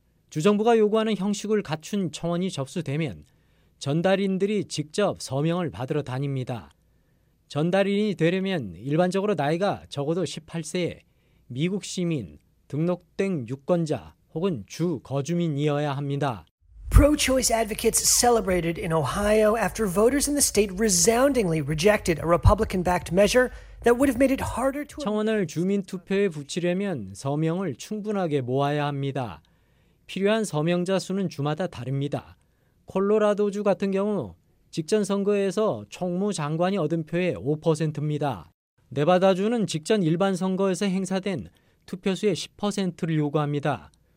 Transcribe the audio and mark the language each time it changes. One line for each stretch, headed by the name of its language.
Korean: 주정부가 요구하는 형식을 갖춘 청원이 접수되면 전달인들이 직접 서명을 받으러 다닙니다. 전달인이 되려면 일반적으로 나이가 적어도 18세에 미국 시민, 등록된 유권자 혹은 주 거주민이어야 합니다.
English: Pro-choice advocates celebrated in Ohio after voters in the state resoundingly rejected a Republican-backed measure that would have made it harder to
Korean: 청원을 주민투표에 붙이려면 서명을 충분하게 모아야 합니다. 필요한 서명자 수는 주마다 다릅니다. 콜로라도주 같은 경우 직전 선거에서 총무 장관이 얻은 표의 5%입니다. 네바다주는 직전 일반 선거에서 행사된 투표수의 10%를 요구합니다.